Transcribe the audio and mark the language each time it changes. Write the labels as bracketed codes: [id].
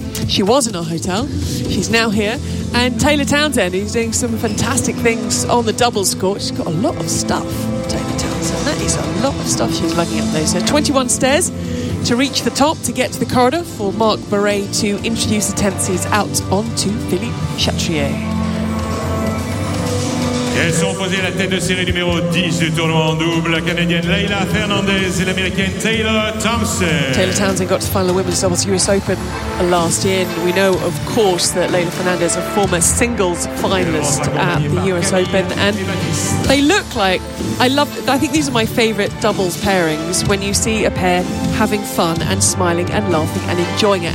[en] She was in our hotel, she's now here. And Taylor Townsend, who's doing some fantastic things on the doubles court. She's got a lot of stuff, Taylor Townsend. That is a lot of stuff she's lugging up those. So 21 stairs to reach the top to get to the corridor for Mark Murray to introduce the 10th seeds out onto Philippe Chatrier. [fr] Elles sont posées la tête de série numéro 10 du tournoi en double. La Canadienne Leila Fernandez et l'Américaine Taylor Townsend. [en] Taylor Townsend got to final the women's doubles US Open last year. And we know, of course, that Leila Fernandez, a former singles finalist at the US Open. And they look like, I think these are my favourite doubles pairings, when you see a pair having fun and smiling and laughing and enjoying it.